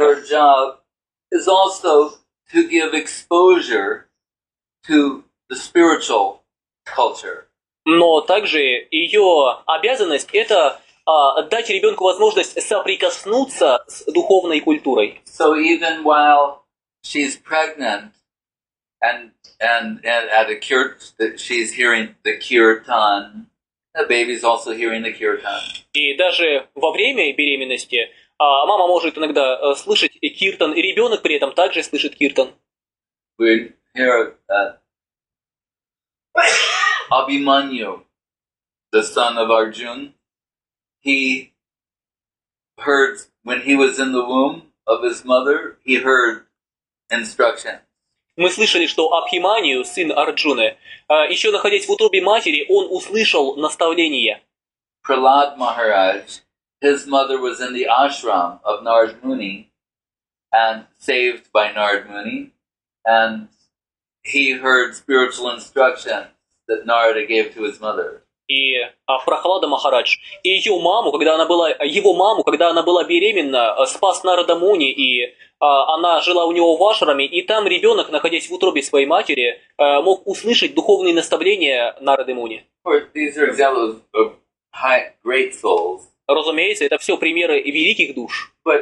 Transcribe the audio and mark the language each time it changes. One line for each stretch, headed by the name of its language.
English: But her job is also to give exposure to the spiritual culture.
Russian: Но также ее обязанность это дать ребенку возможность соприкоснуться с духовной культурой.
English: So even while she's pregnant and at a cure, she's hearing the kirtan The baby is also hearing the kirtan.
Russian: И даже во время беременности мама может иногда слышать киртан, и ребенок при этом также слышит киртан.
English: We hear that Abhimanyu, the son of Arjun, he heard when he was in the womb of his mother, he heard instruction.
Russian: Мы слышали, что Абхиманию, сын Арджуны, еще находясь в утробе матери, он услышал наставление.
English: Прахлад Махарадж, his mother was in the ashram of Narad Muni and saved by Narad Muni, and he heard spiritual instructions that Narada gave to his mother.
Russian: И Прахлада Махарадж и ее маму, когда она была его маму, когда она была беременна, спас Нарада Муни и она жила у него в ашраме, и там ребенок, находясь в утробе своей матери, мог услышать духовные наставления Нарады Муни. Разумеется, это все примеры великих душ.